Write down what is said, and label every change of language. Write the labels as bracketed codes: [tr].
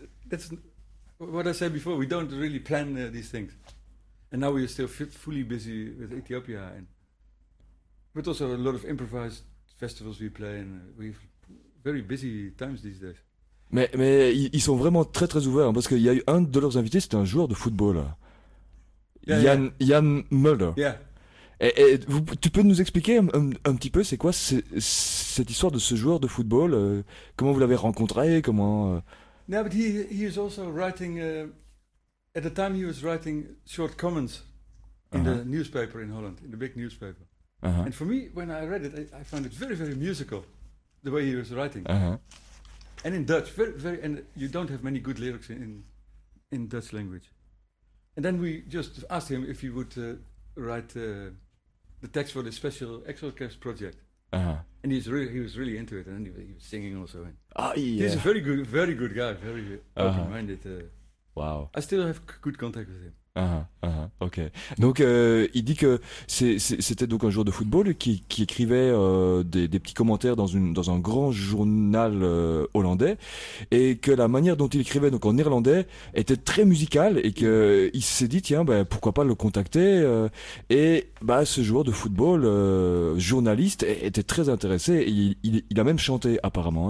[en] That's what I said before. We don't really plan these things, and now we are still fully busy with Ethiopia, and but also a lot of improvised festivals we play, and we've very busy times these days. [fr] Mais ils sont vraiment très très ouverts, hein, parce qu'il y a eu un de leurs invités, c'était un joueur de football, Jan Mulder. [en] Yeah. [fr] Et tu peux nous expliquer un petit peu c'est quoi cette histoire de ce joueur de football, comment vous l'avez rencontré, comment [en] Now but he is also writing at the time he was writing short comments in the newspaper in Holland, in the big newspaper. Uh-huh. And for me when I read it I found it very very musical the way he was writing. Uh-huh. And in Dutch very very and you don't have many good lyrics in Dutch language. And then we just asked him if he would write the text for the special Exocast project. Uh-huh. And he was really into it, and he was singing also. And he's a very good guy, very open-minded. Wow. I still have good contact with him. Ok. [fr] Donc, il dit que c'était donc un joueur de football qui écrivait des petits commentaires dans un grand journal hollandais, et que la manière dont il écrivait donc en néerlandais était très musicale, et que il s'est dit tiens, ben pourquoi pas le contacter, et bah ce joueur de football journaliste était très intéressé, et il a même chanté apparemment.